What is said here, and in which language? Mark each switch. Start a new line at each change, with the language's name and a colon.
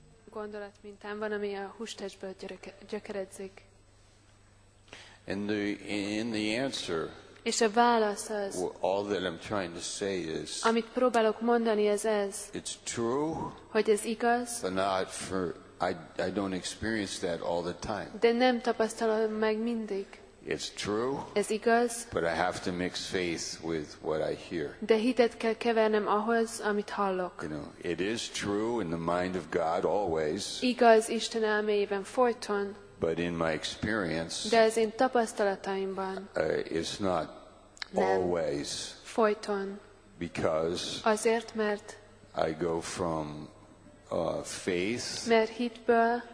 Hungarian: Gondolat mintán van, ami a hústestből gyökeredzik.
English: And the answer
Hungarian: És a válasz az,
English: all that I'm trying to say is,
Hungarian: amit próbálok mondani, ez ez,
English: it's true,
Hungarian: hogy ez igaz,
English: but not for, I don't experience that all the time.
Hungarian: De nem tapasztalom meg mindig.
English: It's true,
Hungarian: ez igaz,
English: but I have to mix faith with what I hear.
Hungarian: De hitet kell kevernem ahhoz, amit hallok.
English: You know, it is true in the mind of God always.
Hungarian: Igaz Isten elmében folyton.
English: But in my experience,
Hungarian: de az én tapasztalataimban,
English: it's not always
Hungarian: folyton,
English: because
Hungarian: azért, mert
English: I go from faith,
Hungarian: mert hitből,